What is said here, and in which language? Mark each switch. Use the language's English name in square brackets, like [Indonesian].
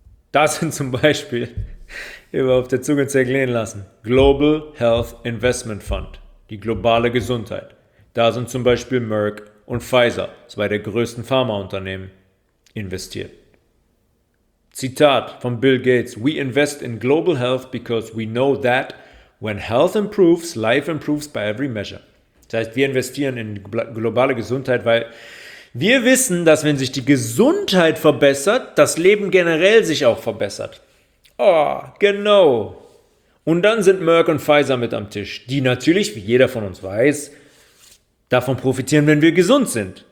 [German] Da sind zum Beispiel, immer auf der Zunge zergehen lassen, Global Health Investment Fund, die globale Gesundheit. Da sind zum Beispiel Merck und Pfizer, zwei der größten Pharmaunternehmen, investiert. Zitat von [English] Bill Gates: We invest in global health because we know that when health improves, life improves by every measure. [German] Das heißt, wir investieren in globale Gesundheit, weil wir wissen, dass wenn sich die Gesundheit verbessert, das Leben generell sich auch verbessert. Oh, genau. Und dann sind Merck und Pfizer mit am Tisch, die natürlich, wie jeder von uns weiß, davon profitieren, wenn wir gesund sind.